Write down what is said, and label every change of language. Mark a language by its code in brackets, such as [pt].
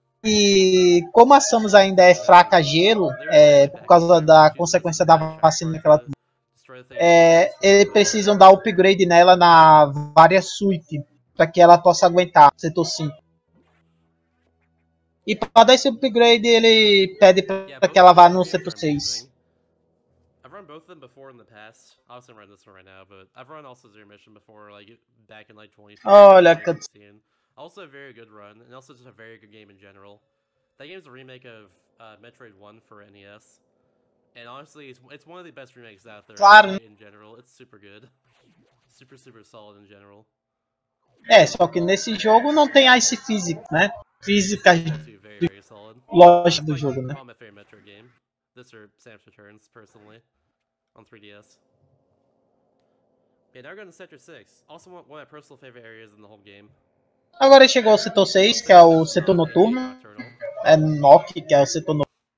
[pt] E como a Samus ainda é fraca a gelo, por causa da consequência da vacina que ela tomou, eles precisam dar upgrade nela na Varia Suite, para que ela possa aguentar setor 5. E para dar esse upgrade, ele pede para que ela vá no setor 6. [en] Both of them before in the past. I also run this one right now, but I've run also Zero Mission before, like back in like 2016. Also a very good run, and also just a very good game in general. That game is a remake of Metroid 1 for NES, and honestly, it's one of the best remakes out there. [pt] Claro. [en] In general, it's super good, super solid in general. [pt] É, só que nesse jogo não tem Ice Physics, né? Física lógica do jogo, né? [en] My favorite Metroid game. This or Samus Returns, personally. On 3DS. Yeah, now we're going to Sector 6. Also one of my personal favorite areas in the whole game. [pt] Agora chegou ao setor 6, que é o setor noturno. É Nock, que é o setor noturno.